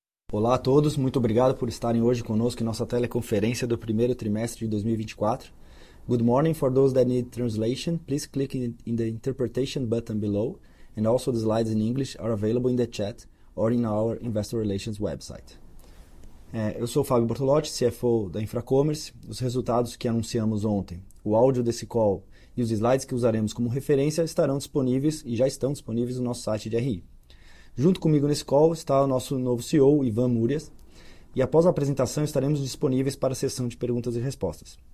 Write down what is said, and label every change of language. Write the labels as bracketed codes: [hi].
[pt] Olá a todos, muito obrigado por estarem hoje conosco em nossa teleconferência do primeiro trimestre de 2024. [en] Good morning for those that need translation. Please click in the interpretation button below, and also the slides in English are available in the chat or in our investor relations website. [pt] Eu sou o Fábio Bortolotti, CFO da Infracommerce. Os resultados que anunciamos ontem, o áudio desse call e os slides que usaremos como referência estarão disponíveis e já estão disponíveis no nosso site de RI. Junto comigo nesse call está o nosso novo CEO, Ivan Murias, e após a apresentação estaremos disponíveis para a sessão de perguntas e respostas.